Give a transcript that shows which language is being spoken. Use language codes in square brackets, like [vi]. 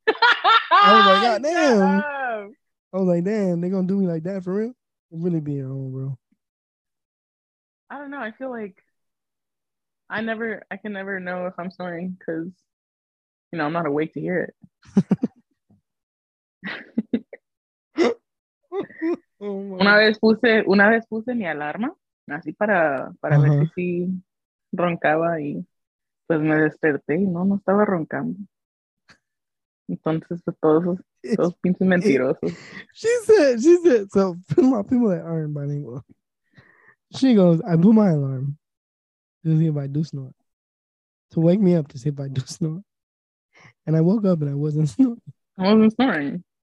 [en] I was like, God damn. I was like, damn, they gonna do me like that for real? I'm really being wrong, bro. I don't know. I feel like I can never know if I'm snoring because, you know, I'm not awake to hear it. [es] Oh, una vez puse mi alarma, así para uh-huh. ver si roncaba y pues me desperté y no estaba roncando. Entonces todos pinches mentirosos. [en] She said, so my people that aren't bilingual. She goes, I blew my alarm to see if I do snore. To wake me up to see if I do snore. And I woke up and I wasn't snoring. I wasn't snoring.